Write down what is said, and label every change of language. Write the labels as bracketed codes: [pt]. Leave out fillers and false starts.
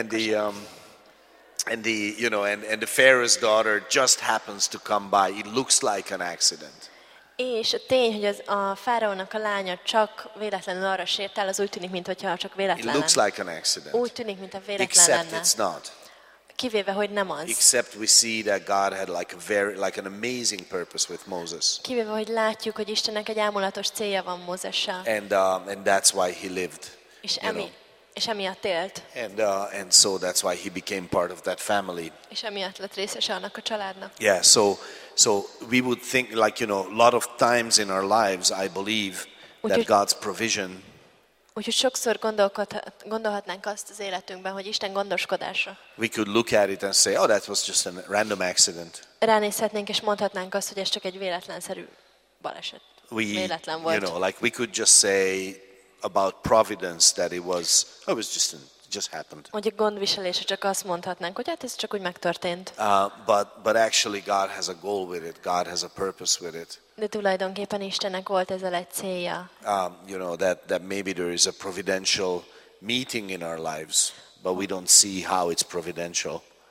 [en] And the Pharaoh's daughter just happens to come by. It looks like an accident. [hu] És a tény, hogy az a fáraónak a lánya csak véletlenül arra sétál, az úgy tűnik, mintha csak véletlen. [en] It looks like an accident. [hu] Úgy tűnik, mintha véletlen. [en] Except [hu] lenne. [en] It's not. [hu] Kivéve, hogy nem az. [en] Except we see that God had like a very like an amazing purpose with Moses. [hu] Kivéve, hogy látjuk, hogy Istennek egy álmulatos célja van Mózessel. [en] And that's why he lived. [hu] És emi. És emiatt élt. [en] And so that's why he became part of that family. [hu] És emiatt lett részese annak a családnak. [en] Yeah, so we would think like, you know, a lot of times in our lives I believe that God's provision. [hu] Úgyhogy sokszor gondolhatnánk azt az életünkben, hogy Isten gondoskodása. [en] We could look at it and say, oh, that was just a random accident. [hu] Ránézhetnénk és mondhatnánk azt, hogy ez csak egy véletlenszerű baleset. Véletlen volt. [en] You know, like we could just say about providence that it just happened. [hu] Hogy a gondviselés, csak azt mondhatnánk, hogy hát ez csak úgy megtörtént. [en] But actually God has a goal with it. God has a purpose with it. [hu] De tulajdonképpen Istennek volt ez a célja. [en] You know that maybe there is a providential meeting in our lives, but we don't see how it's providential.